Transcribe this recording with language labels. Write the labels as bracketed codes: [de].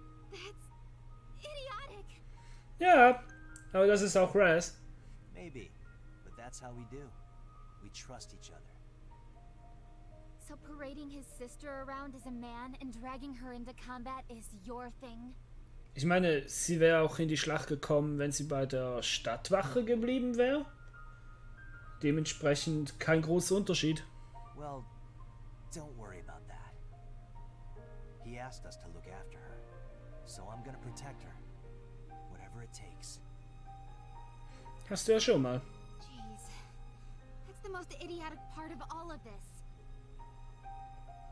[en] That's idiotic. [de] Yeah. Oh, das ist auch Rez. [en] Maybe, but that's how we do. We trust each other. So parading his sister around as a man and dragging her into combat is your thing? [de] Ich meine, sie wäre auch in die Schlacht gekommen, wenn sie bei der Stadtwache geblieben wäre. Dementsprechend kein großer Unterschied. [en] Well, don't worry about that. He asked us to look after her. So I'm gonna protect her. Whatever it takes. [de] Hast du ja schon mal. [en] Jeez. That's the most idiotic part of all of this.